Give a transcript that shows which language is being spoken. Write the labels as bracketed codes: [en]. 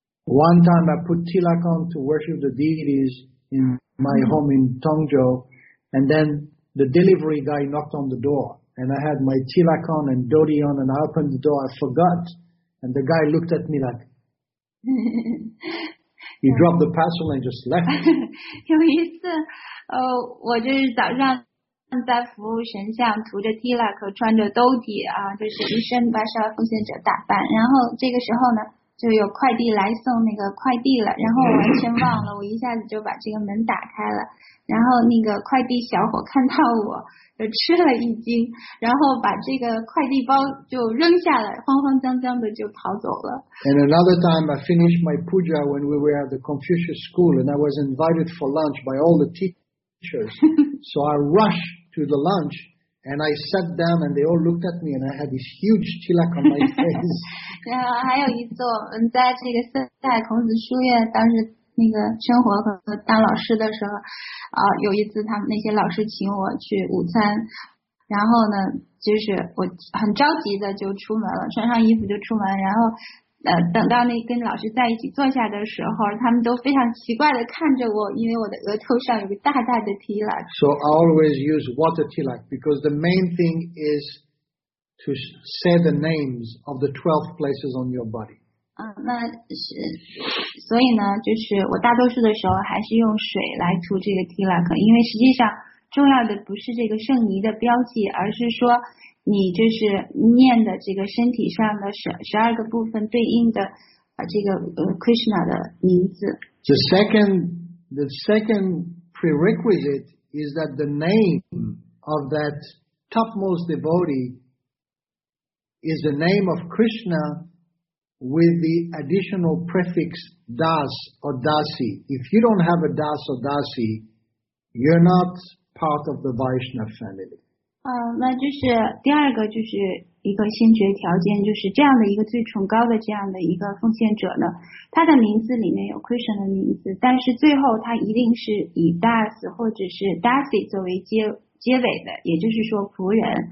[en] One time I put tilak on to worship the deities in my home in Tongzhou, and then the delivery guy knocked on the door, and I had my tilak on and dhoti on, and I opened the door, I forgot, and the guy looked at me like. He dropped the parcel and just left. [zh] 有一次，我就是早上在服务神像，涂着 tilak， 穿着兜底就是一身巴沙奉献者打扮。然后这个时候呢，就有快递来送那个快递了。然后我完全忘了，我一下子就把这个门打开了。然后那个快递小伙看到我，就吃了一惊，然后把这个快递包就扔下来，慌慌张张的就逃走了。 [en] And another time, I finished my puja when we were at the Confucius School, and I was invited for lunch by all the teachers. So I rushed to the lunch, and I sat down, and they all looked at me, and I had this huge tilak on my face. [zh] 然后还有一次，我们在这个现代孔子书院当时。那个生活和当老师的时候，有一次他们那些老师请我去午餐，然后呢，就是我很着急的就出门了，穿上衣服就出门，然后等到那跟老师在一起坐下的时候，他们都非常奇怪的看着我，因为我的额头上有个大大的 tilak。 [en] So I always use water tilak because the main thing is to say the names of the 12 places on your body. [zh] 那是，所以呢，就是我大多数的时候还是用水来涂这个 tilak， 因为实际上重要的不是这个圣仪的标记，而是说你就是念的这个身体上的12个部分对应的这个Krishna 的名字。 [en] The second prerequisite is that the name of that topmost devotee is the name of Krishna。 with the additional prefix das or dasi. If you don't have a das or dasi, you're not part of the Vaishnava family. [zh] 那就是第二个，就是一个先决条件，就是这样的一个最崇高的这样的一个奉献者呢，他的名字里面有 Krishna 的名字，但是最后他一定是以 das 或者是 dasi 作为结尾的，也就是说仆人。